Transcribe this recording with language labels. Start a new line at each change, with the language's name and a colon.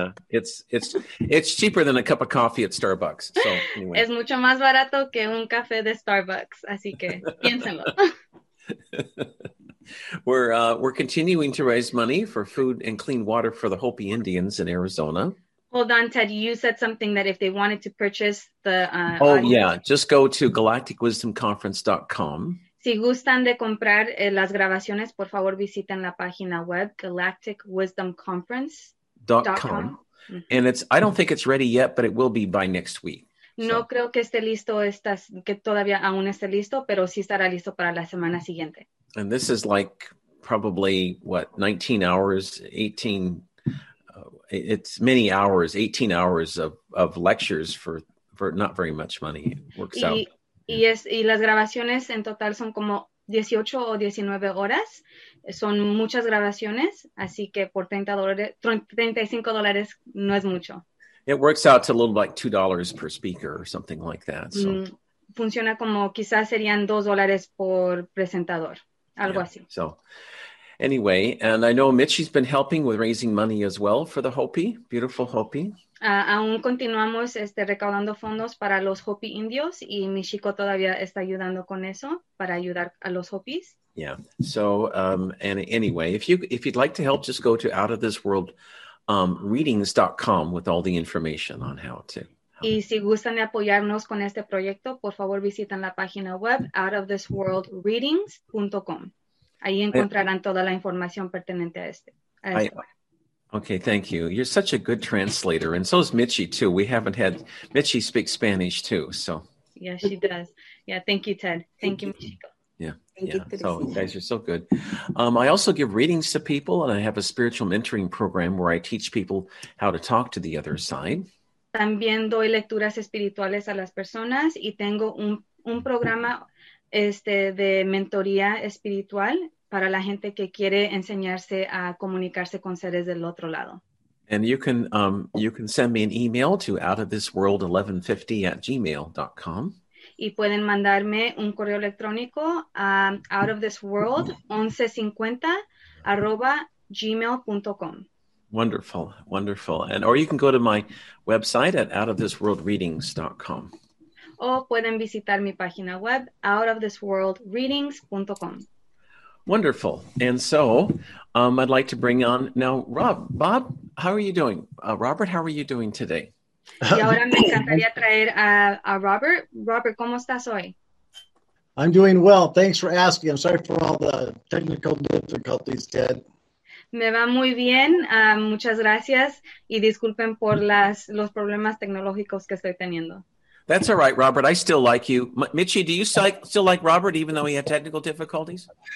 English: It's cheaper than a cup of coffee at Starbucks. So anyway.
Spanish: Es mucho más barato que un café de Starbucks, así que piénsenlo.
English: We're continuing to raise money for food and clean water for the Hopi Indians in Arizona. Hold on, Ted, you said something that if they wanted to purchase the... just go to galacticwisdomconference.com.
Spanish: Si gustan de comprar las grabaciones, por favor visiten la página web, galacticwisdomconference.com.
English: And I don't think it's ready yet, but it will be by next week.
Spanish: No creo que esté listo, que todavía aún esté listo, pero sí estará listo para la semana siguiente.
English: And this is like probably, 19 hours, 18... It's many hours, 18 hours of lectures for not very much money. It works out.
Spanish: Y las grabaciones en total son como 18 o 19 horas. Son muchas grabaciones, así que por $35 no es mucho.
English: It works out to a little like $2 per speaker or something like that. So.
Spanish: Funciona como quizás serían $2 por presentador, algo así.
English: So. Anyway, and I know Mitchie's been helping with raising money as well for the Hopi, beautiful Hopi.
Spanish: Aún continuamos recaudando fondos para los Hopi indios y mi chico todavía está ayudando con eso para ayudar a los Hopis.
English: Yeah, so, anyway, if you'd like to help, just go to outofthisworldreadings.com with all the information on how to.
Spanish: Y si gustan de apoyarnos con este proyecto, por favor visiten la página web outofthisworldreadings.com. Ahí encontrarán toda la información pertinente a este.
English: Okay, thank you. You're such a good translator. And so is Mitchie, too. We haven't had... Mitchie speaks Spanish, too, so... Yeah, she does. Yeah, thank you, Ted. Thank you, Michiko. Thank you. So, you guys are so good. I also give readings to people, and I have a spiritual mentoring program where I teach people how to talk to the other side.
Spanish: También doy lecturas espirituales a las personas, y tengo un programa... de mentoría espiritual para la gente que quiere enseñarse a comunicarse con seres del otro lado.
English: And you can send me an email to outofthisworld1150@gmail.com.
Spanish: Y pueden mandarme un correo electrónico a outofthisworld1150@gmail.com.
English: Wonderful, wonderful. And or you can go to my website at outofthisworldreadings.com.
Spanish: O pueden visitar mi página web, outofthisworldreadings.com.
English: Wonderful. And so, I'd like to bring on, now, Bob, how are you doing? Robert, how are you doing today?
Spanish: Y ahora me encantaría traer a Robert. Robert, ¿cómo estás hoy?
English: I'm doing well. Thanks for asking. I'm sorry for all the technical difficulties, Ted.
Spanish: Me va muy bien. Muchas gracias. Y disculpen por los problemas tecnológicos que estoy teniendo.
English: That's all right, Robert. I still like you. Mitchie, do you still like Robert, even though he had technical difficulties?